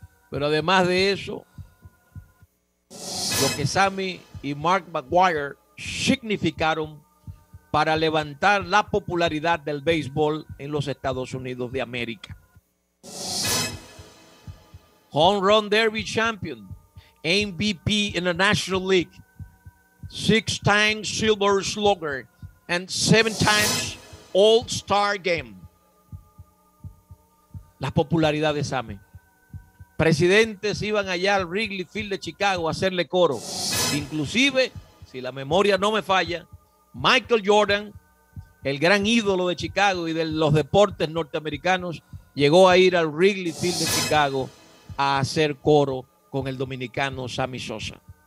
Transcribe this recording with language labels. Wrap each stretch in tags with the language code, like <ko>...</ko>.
<es>Pero además de eso, lo que Sammy y Mark McGwire significaron para levantar la popularidad del béisbol en los Estados Unidos de América.</es> <en>Home Run Derby Champion, MVP in the National League, 6-time Silver Slugger, and 7-time All-Star Game.</en> <es>La popularidad de Sammy. Presidentes iban allá al Wrigley Field de Chicago a hacerle coro. Inclusive, si la memoria no me falla, Michael Jordan, el gran ídolo de Chicago y de los deportes norteamericanos, llegó a ir al Wrigley Field de Chicago a hacer coro con el dominicano Sammy Sosa.</es>